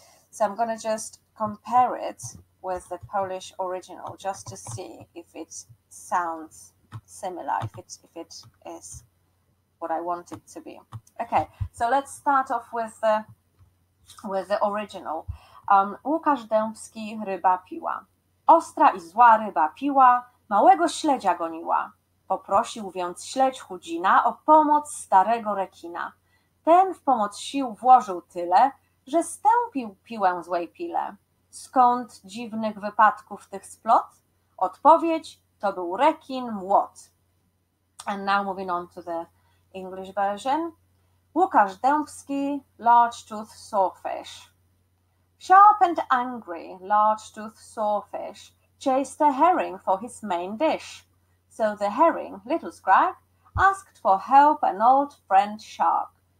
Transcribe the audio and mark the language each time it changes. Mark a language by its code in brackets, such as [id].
[en] So I'm going to just compare it with the Polish original, just to see if it sounds similar, if it is what I want it to be. Okay, so let's start off with the original. [pl] Łukasz Dębski ryba piła. Ostra i zła ryba piła, małego śledzia goniła. Poprosił więc śledź Chudzina o pomoc starego rekina. Ten w pomoc sił włożył tyle, że stępił piłę złej pile. Skąd dziwnych wypadków tych splot? Odpowiedź to był rekin młot. [en] And now moving on to the English version. Łukasz Dębski, large tooth sawfish. Sharp and angry, large tooth sawfish chased a herring for his main dish. So the herring, little scrag, asked for help an old friend shark.